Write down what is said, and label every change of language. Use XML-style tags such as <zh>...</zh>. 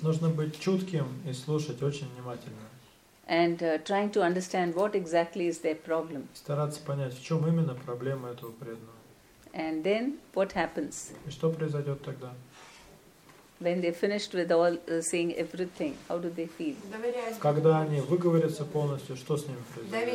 <ru>Нужно быть чутким и слушать очень внимательно.</ru> <en>And trying to understand what exactly is their problem.</en> <ru>Стараться понять, в чем именно проблема этого преданного.</ru> <en>And then what happens?</en> <ru>И что произойдет тогда?</ru> <en>When they're finished with all saying everything, how do they feel?</en> <ru>Когда они выговорятся полностью, что с ними произойдет?</ru>